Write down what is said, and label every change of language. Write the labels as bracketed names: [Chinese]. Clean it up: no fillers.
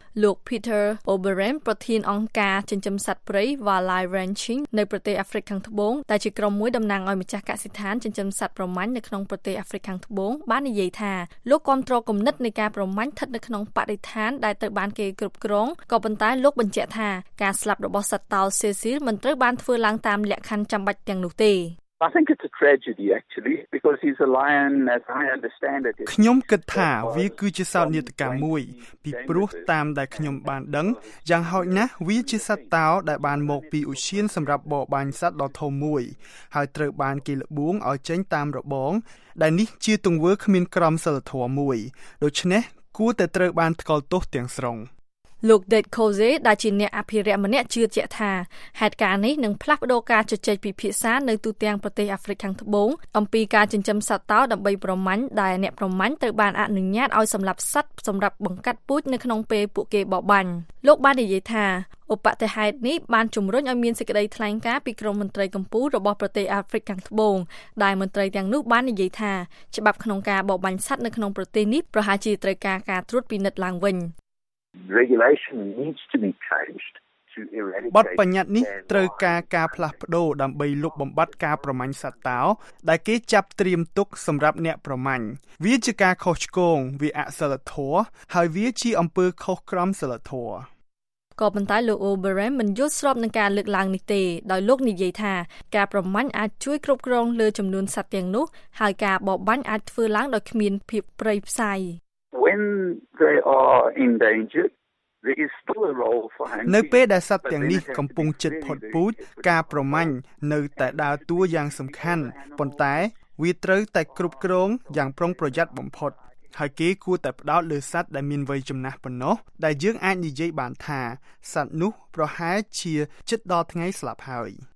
[Khmer] លោក Peter Oberheim ប្រធានអង្គការចិញ្ចឹមសត្វព្រៃ Wildlife Ranching នៅប្រទេសអាហ្វ្រិកខាងត្បូងតែជាក្រុមមួយតំណាងឲ្យម្ចាស់កសិដ្ឋានចិញ្ចឹមសត្វប្រមាញ់នៅក្នុងប្រទេសអាហ្វ្រិកខាងត្បូងបាននិយាយថាលោកគ្រប់គ្រងគណិតនៃការប្រមាញ់ស្ថិតនៅក្នុងបរិស្ថានដែលត្រូវបានគេគ្រប់គ្រងក៏ប៉ុន្តែលោកបញ្ជាក់ថាការស្លាប់របស់សត្វតោសេស៊ីលមិនត្រូវបានធ្វើឡើងតាមលក្ខខណ្ឌចាំបាច់ទាំងនោះទេ [English] I think it's a tragedy actually because he's a lion as I understand it. [Khmer] ខ្ញុំគិតថាវាគឺជាសោកនាដកម្មមួយពីព្រោះតាមដែលខ្ញុំបានដឹងយ៉ាងហោចណាស់វាជាសត្វតោដែលបានមកពីឧឈានសម្រាប់បរបាញ់សត្វដ៏ធំមួយហើយត្រូវបានគេល្បួងឲ្យចេញតាមរបងដែលនេះជាទង្វើគ្មានក្រមសីលធម៌មួយដូច្នេះគួរតែត្រូវបានថ្កល់ទោសទាំងស្រុង លោក Dead Cozy ដែលជាអ្នកអភិរក្សម្នាក់ជឿជាក់ថាហេតុការណ៍នេះនឹងផ្លាស់ប្ដូរការជជែកពិភាក្សានៅទូទាំងប្រទេសអាហ្វ្រិកខាងត្បូងអំពីការចិញ្ចឹមសត្វតោដើម្បីប្រមាញ់ដែលអ្នកប្រមាញ់ត្រូវបានអនុញ្ញាតឲ្យសម្លាប់សត្វសម្រាប់បង្កាត់ពូជនៅក្នុងពេលពួកគេបរបាញ់លោកបាននិយាយថាឧបតិហេតុនេះបានជំរុញឲ្យមានសេចក្តីថ្លែងការណ៍ពីក្រមមន្ត្រីកម្ពុជារបស់ប្រទេសអាហ្វ្រិកខាងត្បូងដែលមន្ត្រីទាំងនោះបាននិយាយថាច្បាប់ក្នុងការបរបាញ់សត្វនៅក្នុងប្រទេសនេះប្រហែលជាត្រូវការការត្រួតពិនិត្យឡើងវិញ [English] Regulation needs to be changed to eradicate [Khmer] បទបញ្ញត្តិនេះត្រូវការការផ្លាស់ប្ដូរដើម្បីលុបបំបាត់ការប្រមាញ់សត្វតោដែលគេចាប់ត្រៀមទុកសម្រាប់អ្នកប្រមាញ់វាជាការខុសឆ្គងវាអសីលធម៌ហើយវាជាអំពើខុសក្រមសីលធម៌ ក៏ប៉ុន្តែលោក Oberheim មិនយល់ស្របនឹងការលើកឡើងនេះទេដោយលោកនិយាយថាការប្រមាញ់អាចជួយគ្រប់គ្រងលើចំនួនសត្វទាំងនោះហើយការបរបាញ់អាចធ្វើឡើងដោយគ្មានភាពព្រៃផ្សៃ [English] When they are in danger, there is still a role for hunting. [Khmer] នៅពេលដែលសត្វទាំងនេះកំពុងជិតផុតពូជការប្រមាញ់នៅតែដើរតួយ៉ាងសំខាន់ប៉ុន្តែវាត្រូវតែគ្រប់គ្រងយ៉ាងប្រុងប្រយ័ត្នបំផុតហើយគេគួរតែផ្ដោតលើសត្វដែលមានវ័យចំណាស់ប៉ុណ្ណោះដែលយើងអាចនិយាយបានថាសត្វនោះប្រហែលជាជិតដល់ថ្ងៃស្លាប់ហើយ